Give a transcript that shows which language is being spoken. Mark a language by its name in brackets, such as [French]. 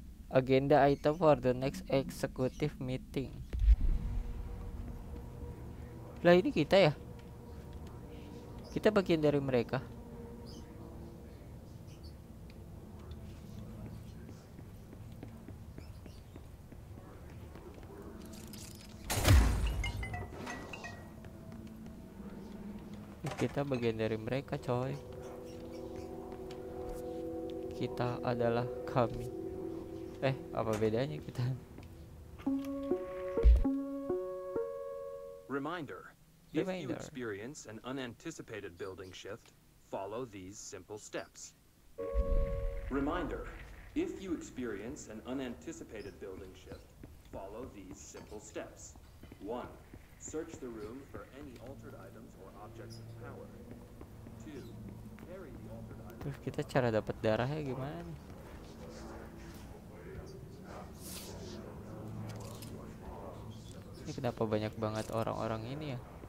[English] Agenda item for the next executive meeting. [Indonesian] Lah ini kita ya? Kita bagian dari mereka. Kita bagian dari mereka, coy. Kita adalah kami. Eh, apa bedanya kita? [English] Reminder. If you experience an unanticipated building shift, follow these simple steps. Reminder. If you experience an unanticipated building shift, follow these simple steps. 1. Search the room for any altered items or objects of power. 2. Carry the altered items. [Indonesian] Terus kita cara dapat darahnya gimana nih? Ini kenapa banyak banget orang-orang ini ya?